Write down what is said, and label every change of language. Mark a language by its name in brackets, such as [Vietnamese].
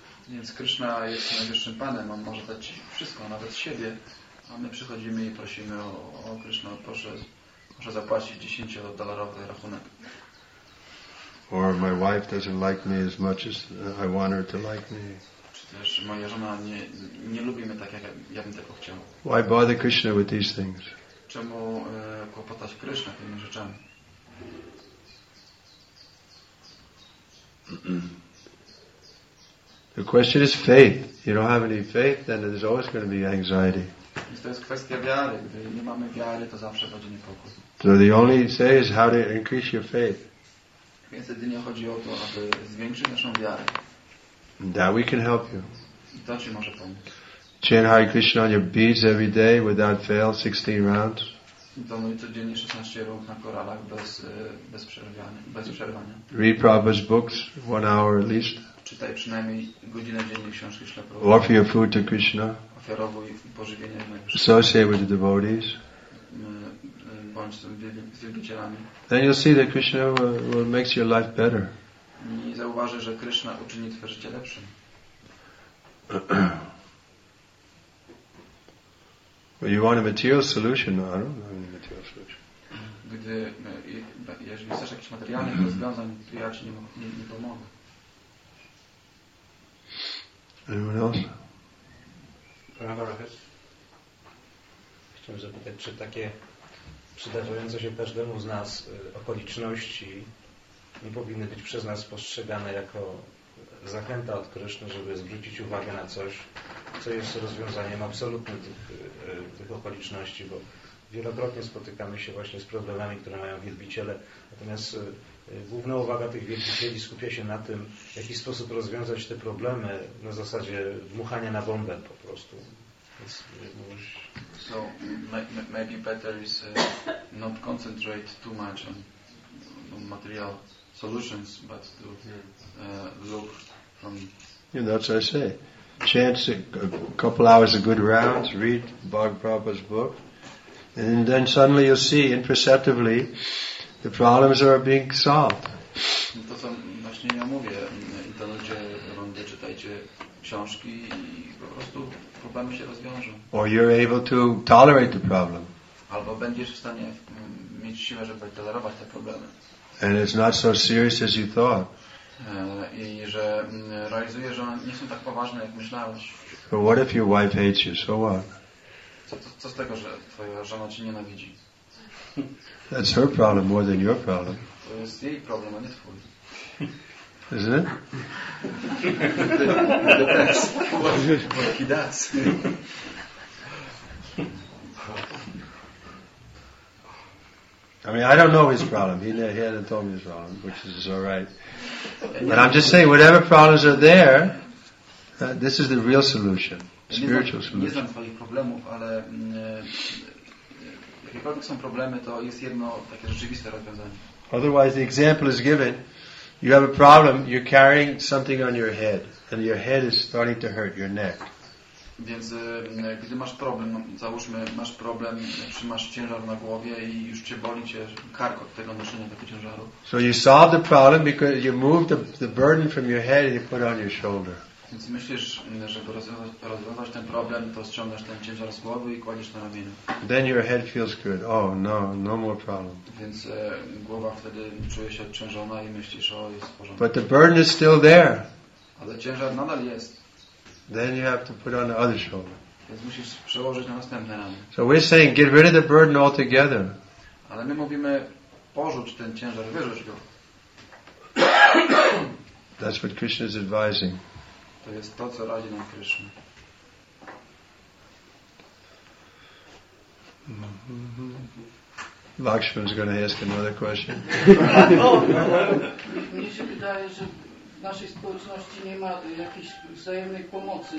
[Polish] Więc Krishna jest najwyższym panem. On może dać wszystko, nawet siebie. A my przychodzimy i prosimy o Krishna, proszę zapłacić 10-dolarowy rachunek. [English] Or my wife doesn't like me as much as I want her to like me. [Polish] Czy też moja żona nie lubi mnie tak, jak ja bym tego chciał. [English] Why bother Krishna with these things? [Polish] Czemu kłopotać Krishna tymi rzeczami? [English] The question is faith. You don't have any faith, then there's always going to be anxiety. [Polish] To jest kwestia wiary. Gdy nie mamy wiary, to zawsze będzie niepokój. [English] So the only say is how to increase your faith. [Polish] Więc jedynie chodzi o to, aby zwiększyć naszą wiarę. [English] That we can help you. [Polish] I to ci może pomóc. [English] Chant Hare Krishna on your beads every day without fail, 16 rounds. [Polish] Donuj codziennie 16 rąk na koralach bez przerwania. [English] Read Prabhupada's books 1 hour at least. [Polish] Czytaj przynajmniej godzinę dziennie książki Śrila Prabhupada. [English] Offer your food to Krishna. [Polish] Ofiarowuj pożywienie. [English] Associate with the devotees. [Polish] Bądź z wielbicielami. [English] Then you'll see that Krishna will make your life better. [Polish] I zauważy, że Krishna uczyni twoje życie lepszym. [English] But you want a material solution? No, I don't have any material solution. [Polish] Gdy, jeżeli chcesz jakichś materialnych rozwiązań, to ja ci nie pomogę. [English] Anyone else? [Polish] Chciałem zapytać, czy takie przydarzające się każdemu z nas okoliczności nie powinny być przez nas postrzegane jako zachęta od Kryszny, żeby zwrócić uwagę na coś, co jest rozwiązaniem absolutnym tych okoliczności, bo wielokrotnie spotykamy się właśnie z problemami, które mają wielbiciele. Natomiast główna uwaga tych wielbicieli skupia się na tym, w jaki sposób rozwiązać te problemy na zasadzie dmuchania na bombę po prostu. Więc, [English] So maybe better is not concentrate too much on material solutions, but to look from. You know, that's what I say. Chance a couple hours of good rounds, read Bhagavad Prabhupada's book, and then suddenly you'll see imperceptibly the problems are being solved. [Polish] To co właśnie ja mówię, to ludzie rondy, czytajcie książki i po prostu problemy się rozwiążą. [English] Or you're able to tolerate the problem. [Polish] Albo będziesz w stanie mieć siłę, żeby tolerować te problemy. [English] And it's not so serious as you thought. [Polish] I że realizuję, że one nie są tak poważne, jak myślałeś. [English] But what if your wife hates you? So what? [Polish] Co z tego, że twoja żona cię nienawidzi? [English] That's her problem more than your problem. [Polish] To jest jej problem, a nie twój. [English] Isn't it? I mean, I don't know his problem. He hadn't told me his problem, which is all right. But I'm just saying, whatever problems are there, this is the real solution, spiritual solution. [Polish] Nie znam twoich problemów, ale jakiekolwiek są problemy, to jest jedno takie rzeczywiste rozwiązanie. [English] Otherwise, the example is given. You have a problem. You're carrying something on your head, and your head is starting to hurt your neck. [Polish] Więc gdy masz problem, załóżmy, masz problem, trzymasz ciężar na głowie i już cię boli cię kark od tego noszenia tego ciężaru. [English] So you solve the problem because you move the burden from your head and you put it on your shoulder. [Polish] Więc myślisz, żeby rozwiązać ten problem, to ściągasz ten ciężar z głowy i kładziesz na ramieniu. [English] Then your head feels good. Oh no, no more problem. [Polish] Więc głowa wtedy czuje się odciężona i myślisz, o, jest w porządku. [English] But the burden is still there. [Polish] Ale ciężar nadal jest. [English] Then you have to put on the other shoulder. [Polish] Więc musisz przełożyć na następne ramię. [English] So we're saying, get rid of the burden altogether. [Polish] Ale my mówimy, porzuć ten ciężar, wyrzuć go. [English] That's what Krishna is advising. [Polish] To jest to, co radzi nam Krishna. [English] Lakshman is going to ask another question. [Polish] Mnie się wydaje, że w naszej społeczności nie ma jakiejś wzajemnej pomocy.